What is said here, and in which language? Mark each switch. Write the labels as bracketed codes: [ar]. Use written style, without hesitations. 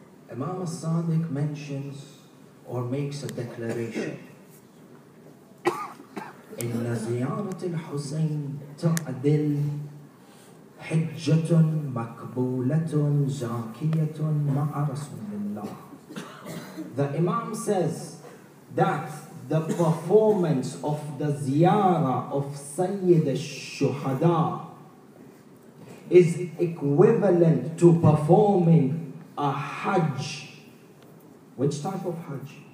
[en] Imam al-Sadiq mentions or makes a declaration. [ar] إن زيارة الحسين تعدل حجة مقبولة زاكية مع رسول الله. [en] The Imam says that the performance of the ziyara of Sayyid al-Shuhada is equivalent to performing a Hajj. Which type of Hajj?